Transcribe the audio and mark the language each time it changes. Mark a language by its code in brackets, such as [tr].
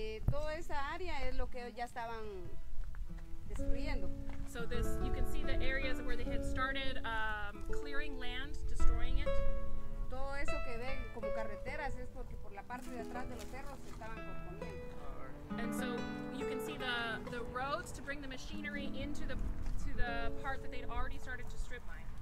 [es] Toda esa área es lo que ya estaban destruyendo. [en] So this, you can see the areas where they had started clearing land, destroying it. [es] Todo eso que ven como carreteras es porque por la parte de atrás de los cerros se estaban componiendo. [en] And so you can see the roads to bring the machinery into the part that they'd already started to strip mine.